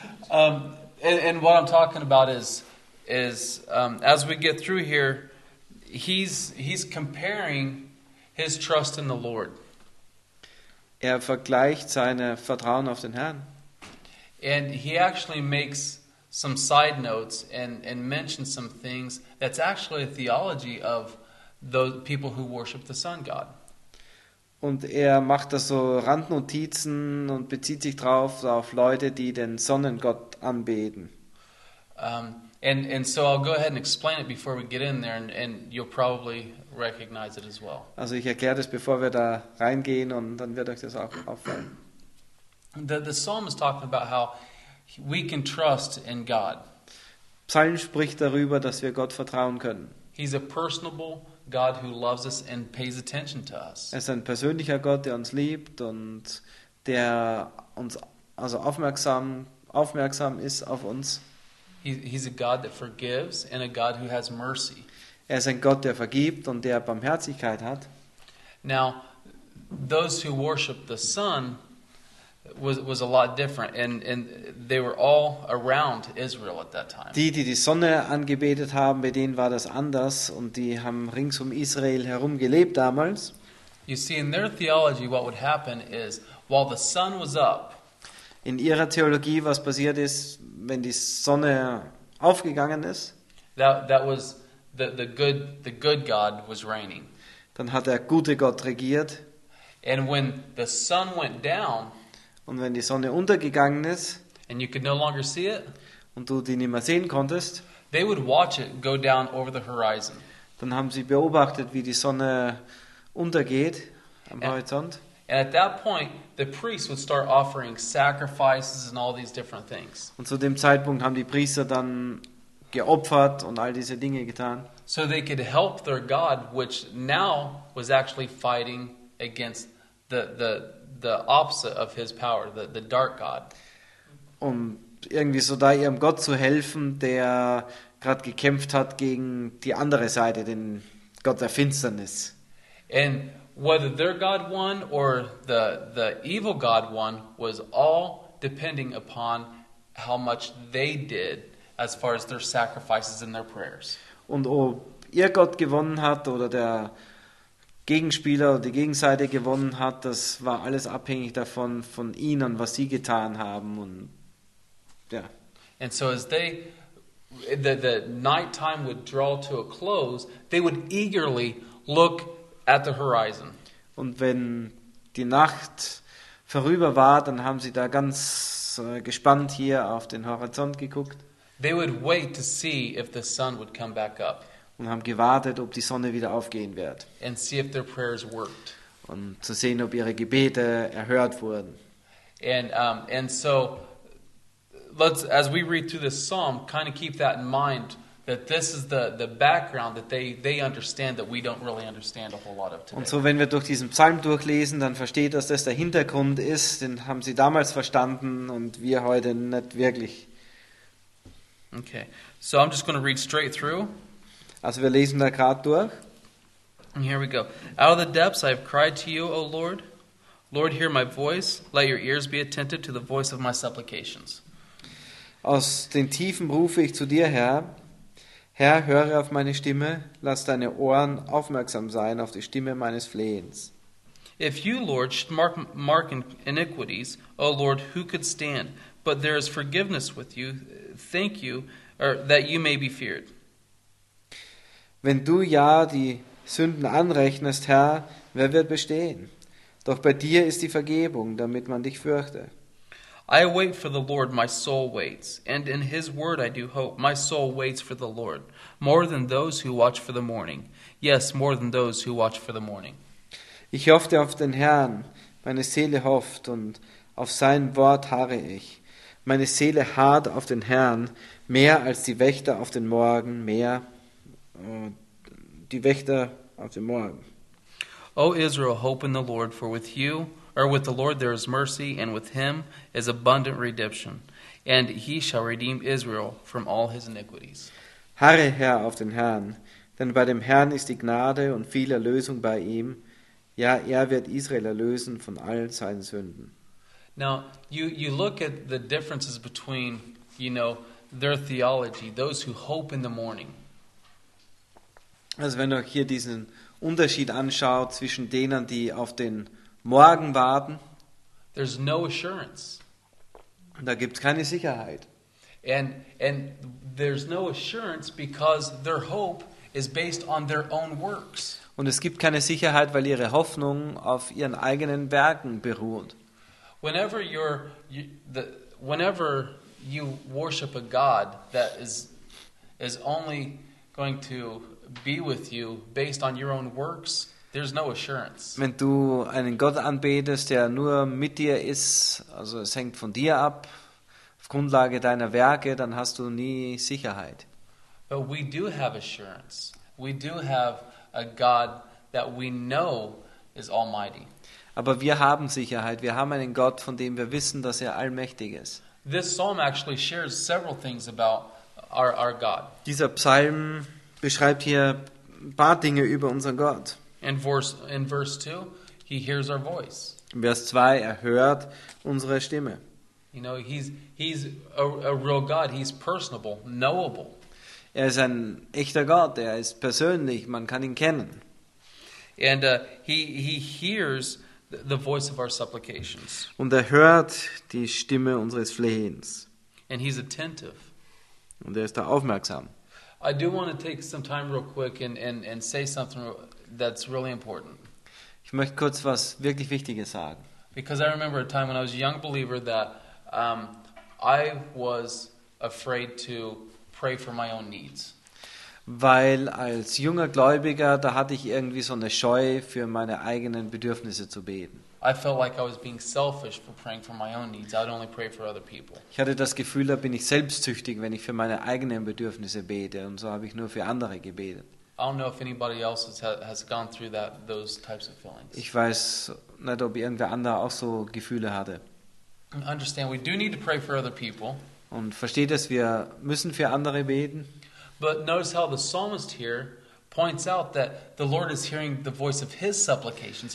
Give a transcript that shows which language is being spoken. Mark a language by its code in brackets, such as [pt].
[en] And what I'm talking about is as we get through here, he's comparing his trust in the Lord. [de] Er vergleicht seine Vertrauen auf den Herrn. [en] And he actually makes some side notes and mentions some things that's actually a theology of those people who worship the sun god. [de] Und er macht da so Randnotizen und bezieht sich drauf auf Leute, die den Sonnengott anbeten. [en] And so I'll go ahead and explain it before we get in there, and you'll probably recognize it as well. [de] Also ich erkläre das, bevor wir da reingehen, und dann wird euch das auch auffallen. [en] The psalm is talking about how we can trust in God. [de] Psalm spricht darüber, dass wir Gott vertrauen können. [en] He's a personable God who loves us and pays attention to us. [de] Er ist ein persönlicher Gott, der uns liebt und der uns also aufmerksam ist auf uns. [en] He's a God that forgives and a God who has mercy. [de] Er ist ein Gott, der vergibt und der Barmherzigkeit hat. [en] Now, those who worship the Son was a lot different, and they were all around Israel at that time. [de] Die Sonne angebetet haben, bei denen war das anders, und die haben rings um Israel herum gelebt damals. [en] You see, in their theology, what would happen is, while the sun was up. [de] In ihrer Theologie, was passiert ist, wenn die Sonne aufgegangen ist? [en] That was the good God was reigning. [de] Dann hat der gute Gott regiert. [en] And when the sun went down. [de] Und wenn die Sonne untergegangen ist, [en] and you could no longer see it, [de] und du die nicht mehr sehen konntest, [en] they would watch it go down over the horizon. [de] Dann haben sie beobachtet, wie die Sonne untergeht am Horizont. [en] And at that point, the priests would start offering sacrifices and all these different things. [de] Und zu dem Zeitpunkt haben die Priester dann geopfert und all diese Dinge getan. [en] So they could help their God, which now was actually fighting against the opposite of his power, the dark God. [de] Um irgendwie so da ihrem Gott zu helfen, der gerade gekämpft hat gegen die andere Seite, den Gott der Finsternis. [en] And whether their God won or the evil God won was all depending upon how much they did as far as their sacrifices and their prayers. [de] Und ob ihr Gott gewonnen hat oder der Gegenspieler oder die Gegenseite gewonnen hat, das war alles abhängig davon, von ihnen, was sie getan haben. Und ja. [en] And so as they, the night time would draw to a close, they would eagerly look at the horizon. [de] Und wenn die Nacht vorüber war, dann haben sie da ganz gespannt hier auf den Horizont geguckt. [en] They would wait to see if the sun would come back up. [de] Und haben gewartet, ob die Sonne wieder aufgehen wird. [en] And see if their prayers worked. [de] Und zu sehen, ob ihre Gebete erhört wurden. [en] And so, let's, as we read through this psalm, kind of keep that in mind, that this is the background that they understand that we don't really understand a whole lot of today. [de] Und so, wenn wir durch diesen Psalm durchlesen, dann versteht, dass das der Hintergrund ist, den haben sie damals verstanden und wir heute nicht wirklich. [en] Okay, so I'm just going to read straight through. [de] Also wir lesen da gerade durch. [en] And here we go. Out of the depths I have cried to you, O Lord. Lord, hear my voice. Let your ears be attentive to the voice of my supplications. [de] Aus den Tiefen rufe ich zu dir, Herr. Herr, höre auf meine Stimme. Lass deine Ohren aufmerksam sein auf die Stimme meines Flehens. [en] If you, Lord, should mark iniquities, O Lord, who could stand? But there is forgiveness with you. Thank you, or that you may be feared. [de] Wenn du ja die Sünden anrechnest, Herr, wer wird bestehen? Doch bei dir ist die Vergebung, damit man dich fürchte. [en] I wait for the Lord, my soul waits, and in his word I do hope. My soul waits for the Lord, more than those who watch for the morning. Yes, more than those who watch for the morning. [de] Ich hoffte auf den Herrn, meine Seele hofft, und auf sein Wort harre ich. Meine Seele harrt auf den Herrn, mehr als die Wächter auf den Morgen, mehr die Wächter auf dem Morgen. [en] O Israel, hope in the Lord, for with you, or with the Lord there is mercy, and with him is abundant redemption. And he shall redeem Israel from all his iniquities. [de] Harre, Herr, auf den Herrn, denn bei dem Herrn ist die Gnade und viel Erlösung bei ihm. Ja, er wird Israel erlösen von all seinen Sünden. [en] Now, you look at the differences between, you know, their theology, those who hope in the morning. [de] Also wenn du hier diesen Unterschied anschaut zwischen denen, die auf den Morgen warten, [en] there's no assurance. [de] Da gibt's keine Sicherheit. [en] And there's no assurance because their hope is based on their own works. [de] Und es gibt keine Sicherheit, weil ihre Hoffnung auf ihren eigenen Werken beruht. [en] Whenever you worship a God that is is only going to be with you based on your own works, there's no assurance. [de] Wenn du einen Gott anbetest, der nur mit dir ist, also es hängt von dir ab, auf Grundlage deiner Werke, dann hast du nie Sicherheit. [en] But we do have assurance. We do have a God that we know is almighty. [de] Aber wir haben Sicherheit. Wir haben einen Gott, von dem wir wissen, dass er allmächtig ist. [en] This psalm actually shares several things about our God. [de] Dieser Psalm beschreibt hier ein paar Dinge über unseren Gott. [en] In verse 2, he hears our voice. [de] In Vers 2, er hört unsere Stimme. [en] You know, he's a real God. He's personable, knowable. [de] Er ist ein echter Gott. Er ist persönlich. Man kann ihn kennen. [en] And he hears the voice of our supplications. [de] Und er hört die Stimme unseres Flehens. [en] And he's attentive. [de] Und er ist da aufmerksam. [en] I do want to take some time real quick and say something that's really important. [de] Ich möchte kurz was wirklich Wichtiges sagen. [en] Because I remember a time when I was a young believer that I was afraid to pray for my own needs. [de] Weil als junger Gläubiger, da hatte ich irgendwie so eine Scheu, für meine eigenen Bedürfnisse zu beten. [en] I felt like I was being selfish for praying for my own needs. I'd only pray for other people. [de] Ich hatte das Gefühl, da bin ich selbstsüchtig, wenn ich für meine eigenen Bedürfnisse bete, und so habe ich nur für andere gebetet. [en] I don't know if anybody else has gone through that, those types of feelings. [de] Ich weiß nicht, ob irgendwer andere auch so Gefühle hatte. [en] Understand, we do need to pray for other people. [de] Und versteht es, wir müssen für andere beten. [en] But notice how the psalmist here points out that the Lord is hearing the voice of his supplications.